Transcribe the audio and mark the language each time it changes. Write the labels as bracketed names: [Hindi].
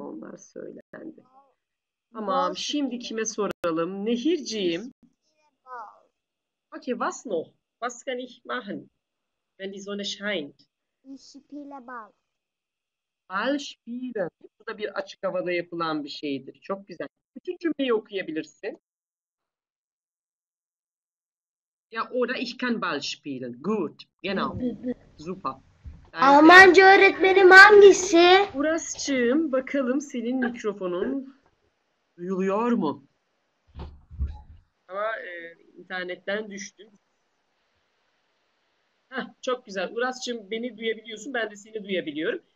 [Turkish] Onlar söylendi. Tamam. Şimdi kime soralım? Nehirciğim. Okay. [German] Was noch? Was kann ich machen? Wenn die Sonne scheint. Ich spiele Ball. Ball spielen. [Turkish] Bu da bir açık havada yapılan bir şeydir. Çok güzel. Bütün cümleyi okuyabilirsin. [German] Ja, oder ich kann Ball spielen. Gut. Genau. Super. Danke. [Turkish] Almanca öğretmenim hangisi? Uras'cığım, bakalım senin mikrofonun duyuluyor mu? Ama internetten düştü. Çok güzel. Uras'cığım beni duyabiliyorsun. Ben de seni duyabiliyorum.